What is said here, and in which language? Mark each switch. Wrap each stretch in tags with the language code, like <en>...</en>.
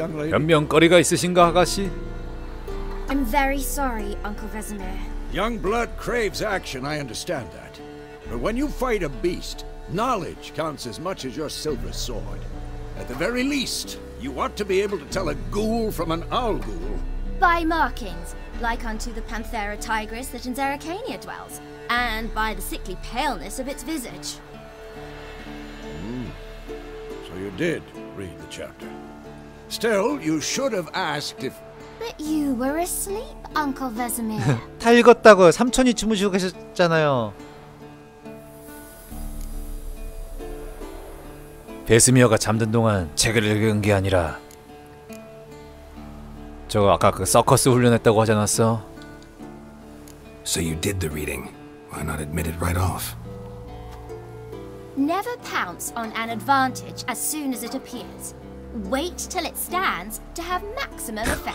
<ko>변명거리가 있으신가, 아가씨?</ko> <en>I'm very sorry, Uncle Vesemir. Young blood craves action, I understand that. But when you fight a beast, knowledge counts as much as your silver sword. At the very least, you ought to be able to tell a ghoul from an owl ghoul. By markings, like unto the panthera tigris that in Zeracania dwells, and by the sickly paleness of its visage. So you did read the chapter. Still, you should have asked if... But you were asleep, Uncle Vesemir.</en> <ko>다 읽었다고요. 삼촌이 주무시고 계셨잖아요. 베스미어가 잠든 동안 책을 읽은 게 아니라 저 아까 그 서커스 훈련했다고 하지 않았어?</ko> <en>So you did the reading. Why not admit it right off? Never pounce on an advantage as soon as it appears. Wait till it stands to have maximum effect.</en>